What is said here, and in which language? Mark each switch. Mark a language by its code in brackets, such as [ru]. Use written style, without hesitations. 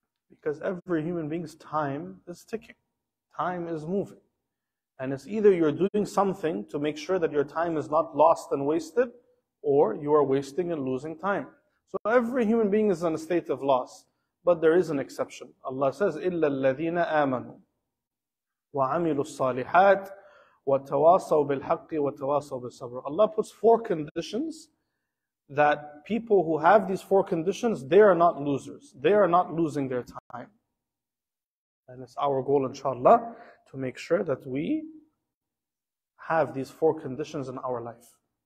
[en] Because every human being's time is ticking. Time is moving. And it's either you're doing something to make sure that your time is not lost and wasted, or you are wasting and losing time. So every human being is in a state of loss. But there is an exception. Allah says, [ar] إِلَّا الَّذِينَ آمَنُوا وَعَمِلُوا الصَّالِحَاتِ وَتَوَاصَوْا بِالْحَقِّ وَتَوَاصَوْا بِالصَّبْرِ. [en] Allah puts four conditions that people who have these four conditions, they are not losers. They are not losing their time. And it's our goal, inshallah, to make sure that we have these four conditions in our life.